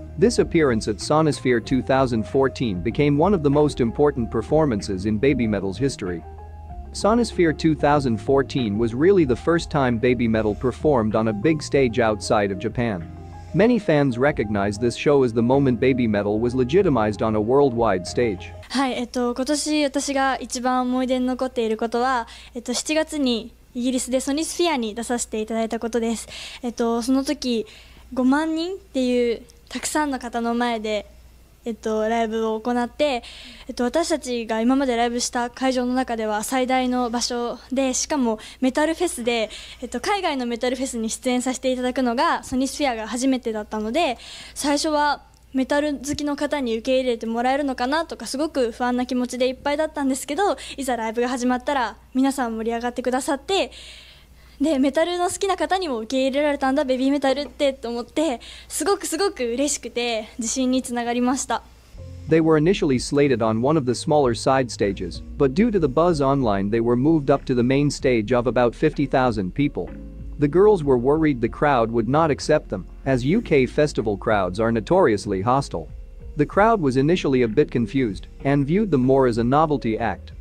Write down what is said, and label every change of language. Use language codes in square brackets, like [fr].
[en] This appearance at Sonosphere 2014 became one of the most important performances in Babymetal's history. Sonosphere 2014 was really the first time Babymetal performed on a big stage outside of Japan. Many fans recognize this show as the moment Babymetal was legitimized on a worldwide stage. [ja] はい、今年私が一番思い出に残っていることは、7月にイギリスでソニスフィアに出させていただいたことです。その時、5万人っていうたくさんの方の前で、ライブを行って、私たちが今までライブした会場の中では最大の場所で、しかもメタルフェスで、海外のメタルフェスに出演させていただくのがソニスフィアが初めてだったので、最初はメタル好きの方に受け入れてもらえるのかなとかすごく不安な気持ちでいっぱいだったんですけど、いざライブが始まったら皆さん盛り上がってくださって、でメタルの好きな方にも受け入れられたんだベビーメタルってと思ってすごくすごく嬉しくて自信につながりました。 [en] They were initially slated on one of the smaller side stages, but due to the buzz online they were moved up to the main stage of about 50,000 people. The girls were worried the crowd would not accept them, as UK festival crowds are notoriously hostile. The crowd was initially a bit confused and viewed them more as a novelty act.